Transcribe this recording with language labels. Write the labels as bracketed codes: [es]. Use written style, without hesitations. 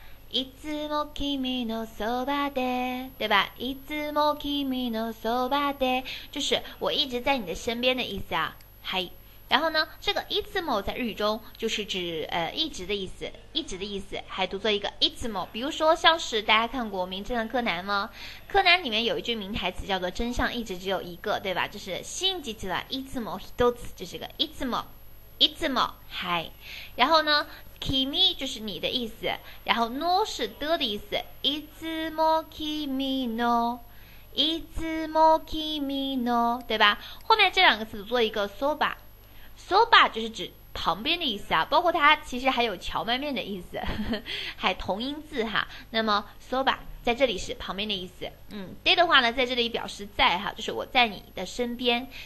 [ja] いつも君のそばで， [zh] 对吧？ [ja] いつも君のそばで， [zh] 就是我一直在你的身边的意思啊。はい。然后呢，这个 [ja] いつも [zh] 在日语中就是指一直的意思，一直的意思，还读作一个いつも。比如说，像是大家看过《名侦探柯南》吗？柯南里面有一句名台词叫做“真相一直只有一个”，对吧？就是 [ja] 信じてはいつも一つ，就是个いつも。いつも，はい。 [zh] 然后呢，君就是你的意思，然后の是的的意思。 [ja] いつも君の，いつも君の， [zh] 对吧？后面这两个词做一个 [ja] そば， [zh] そば就是指旁边的意思啊，包括它其实还有荞麦面的意思，还同音字哈。那么 [ja] そば [zh] 在这里是旁边的意思，で的话呢，在这里表示在哈，就是我在你的身边。